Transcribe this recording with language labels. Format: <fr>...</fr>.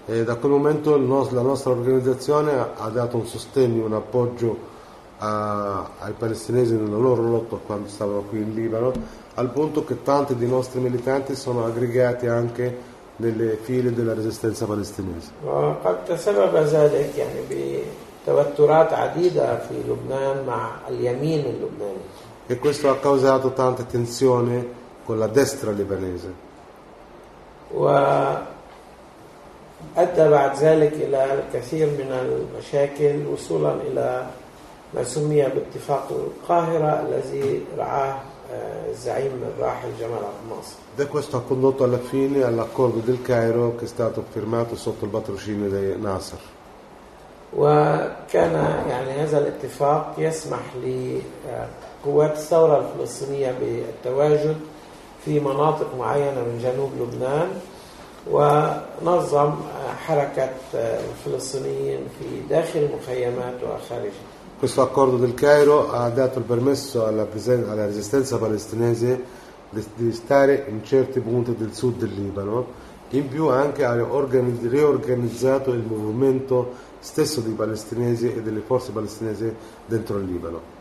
<it>E da quel momento la nostra organizzazione ha dato un sostegno, un appoggio ai palestinesi nella loro lotta quando stavano qui in Libano, al punto che tanti dei nostri militanti sono aggregati anche nelle file della resistenza palestinese.</it> <ar>وقد تسبب ذلك يعني بتوترات عديدة في لبنان مع اليمين اللبناني.</ar> <it>E questo ha causato tante tensioni con la destra libanese.</it> <ar>وأدى بعد ذلك إلى الكثير من المشاكل وصولا إلى ما سمي باتفاق القاهرة الذي رعاه الزعيم الراحل جمال عبد الناصر. ده</ar> <it>questo ha condotto alla fine all'accordo del Cairo che è stato firmato sotto il patrocinio di Nasser.</it> <ar>وكان يعني هذا الاتفاق يسمح لقوات الثورة الفلسطينية بالتواجد في مناطق معينة من جنوب لبنان ونظم حركة الفلسطينيين في داخل المخيمات وخارجها.</ar> <it>Questo accordo del Cairo ha dato il permesso alla resistenza palestinese di stare in certi punti del sud del Libano, in più anche ha riorganizzato il movimento stesso dei palestinesi e delle forze palestinesi dentro il Libano.</it>